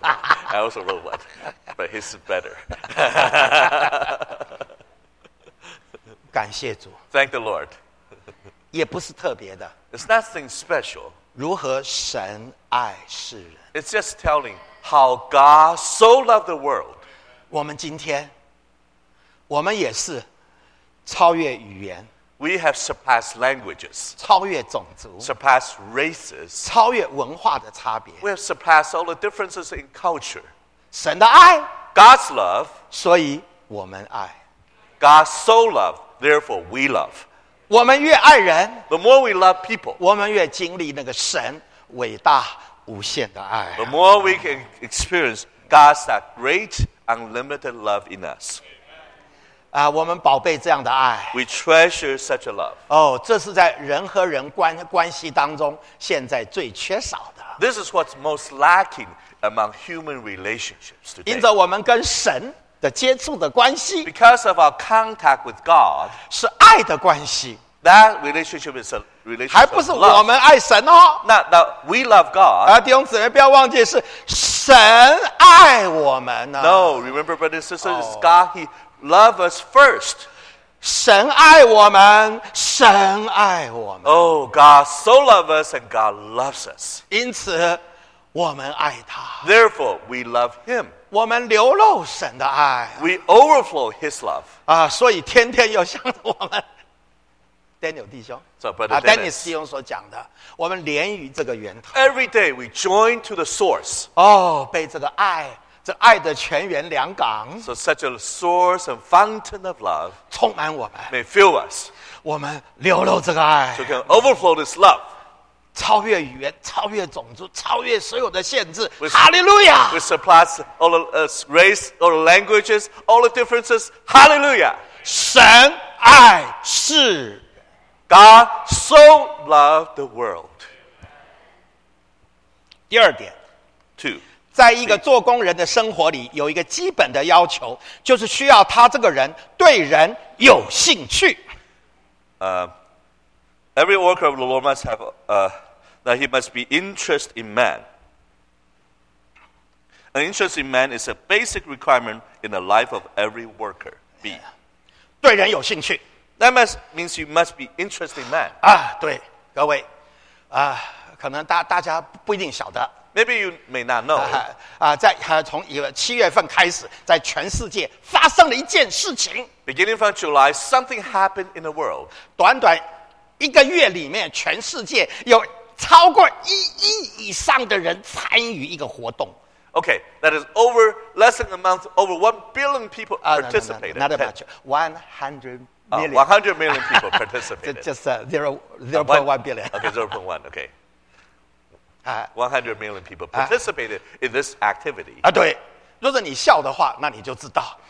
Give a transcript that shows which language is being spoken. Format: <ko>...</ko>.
<en>I also wrote one, but his is better.</en> <zh>感谢主。</zh> <en>Thank the Lord.</en> <zh>也不是特别的。</zh> <en>It's nothing special.</en> <zh>如何神爱世人。</zh> <en>It's just telling how God so loved the world.</en> <zh>我们今天，我们也是超越语言。</zh> <en>We have surpassed languages.</en> <zh>超越种族。</zh> <en>Surpassed races.</en> <zh>超越文化的差别。</zh> <en>We have surpassed all the differences in culture.</en> <zh>神的爱。</zh> <en>God's love.</en> <zh>所以我们爱。</zh> <en>God so loved, therefore we love.</en> <zh>我们越爱人。</zh> <en>The more we love people.</en> <zh>我们越经历那个神伟大无限的爱。</zh> <en>The more we can experience God's that great unlimited love in us.</en> <zh>我们宝贝这样的爱。</zh> <en>We treasure such a love.</en> <zh>这是在人和人关系当中现在最缺少的。</zh> <en>This is what's most lacking among human relationships today.</en> <zh>因着我们跟神的接触的关系。</zh> <en>Because of our contact with God.</en> <zh>是爱的关系。</zh> <en>That relationship is a relationship.</en> <zh>还不是我们爱神哦。</zh> <en>那 we love God.</en> <zh>弟兄姊妹不要忘记是神爱我们呢。</zh> <en>No, remember, brothers and sisters, it's God, he,Love us first.</en> <zh>神爱我们，神爱我们。</zh> <en>Oh, God so loves us and God loves us.</en> <zh>因此，我们爱他。</zh> <en>Therefore, we love him.</en> <zh>我们流露神的爱。</zh> <en>We overflow his love.</en> <zh>所以天天要向着我们。Daniel 弟兄。</zh> <en>So, Brother Dennis.</en> <zh>Dennis 弟兄所讲的，我们连于这个源头。</zh> <en>Every day we join to the source.</en> <zh>被这个爱。这爱的泉源良港</zh> <en>，so such a source and fountain of love，</en> <zh>充满我们</zh> <en>，may fill us，</en> <zh>我们流露这个爱</zh> <en>，so can overflow this love，</en> <zh>超越语言，超越种族，超越所有的限制 ，Hallelujah！</zh> <en>We surpass all the race, all the languages, all the differences, Hallelujah！</en> <zh>神爱世</zh> <en>，God so loved the world。</en> <zh>第二点</zh> <en>，two。</en> <zh>在一个做工人的生活里有一个基本的要求，就是需要他这个人对人有兴趣。</zh> <en>Every worker of the Lord must have that he must be interest in man. An interest in man is a basic requirement in the life of every worker. B.</en> <zh>对人有兴趣。</zh> <en>That means you must be interest in man.</en> <zh>对，各位，可能大家不一定晓得。</zh> <en>Maybe you may not know.</en> <zh>在从七月份开始，在全世界发生了一件事情。</zh> <en>Beginning from July, something happened in the world.</en> <zh>短短一个月里面，全世界有超过一亿以上的人参与一个活动。</zh> <en>Okay, that is over less than a month, over 1 billion people participated. No, no, no, not much. 100 million. 100 million people participated. just 0.1 billion. Okay, 0.1, okay. 100 million people participated in this activity.</en> <zh>啊，对。若是你笑的话，那你就知道。</zh>